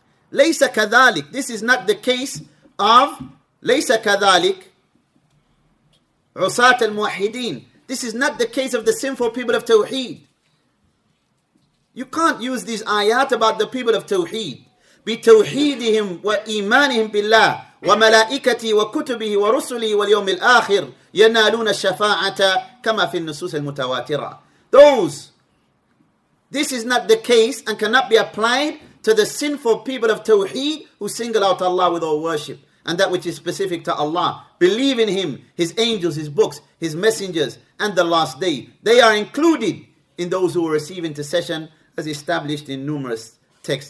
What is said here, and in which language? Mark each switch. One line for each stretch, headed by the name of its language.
Arabic: ليس كذلك.
English: This is not the case of
Arabic: ليس كذلك عصاة الموحدين.
English: This is not the case of the sinful people of Tawheed. You can't use these ayat about the people of Tawheed.
Arabic: بتوحيدهم وإيمانهم بالله وملائكته وكتبه ورسله واليوم الآخر ينالون الشفاعة كما في النصوص المتواترة.
English: This is not the case and cannot be applied to the sinful people of Tawheed who single out Allah with all worship and that which is specific to Allah. Believe in Him, His angels, His books, His messengers, and the last day. They are included in those who will receive intercession as established in numerous texts.